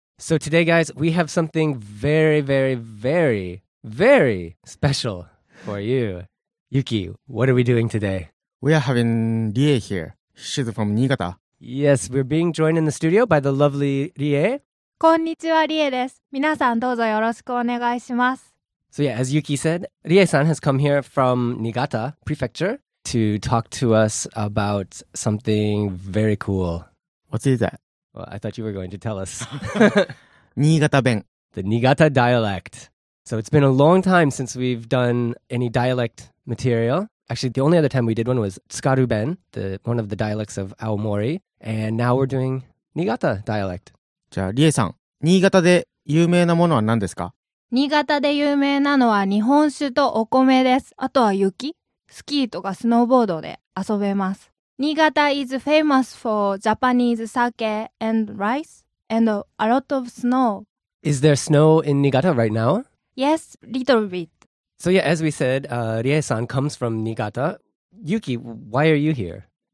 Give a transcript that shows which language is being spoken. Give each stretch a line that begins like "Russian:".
English: So today, guys, we have something very, very, very, very special for you. Yuki, what are we doing today? We are having Rie here. She's from Niigata. Yes, we're being joined in the studio by the lovely Rie.
Japanese: こんにちは、Rie です。皆さんどうぞよろしくお願いします。
English: So yeah, as Yuki said, Rie-san has come here from Niigata Prefecture to talk to us about something very cool. What is that? Well, I thought you were going to tell us.
Japanese: 新潟弁.
English: The Niigata dialect. So it's been a long time since we've done any dialect material. Actually, the only other time we did one was Tsukaru Ben, one of the dialects of Aomori. And now we're doing Niigata dialect.
Japanese: じゃあ、リエさん、新潟で有名なものは何ですか？新潟で有名なのは日本酒とお米です。あとは雪。スキーとかスノーボードで遊べます。
English: Niigata is famous for Japanese sake and rice and a lot of snow. Is there snow in Niigata right now? Yes, little bit. So yeah, as we said, Rie-san comes from Niigata. Yuki, why are you here?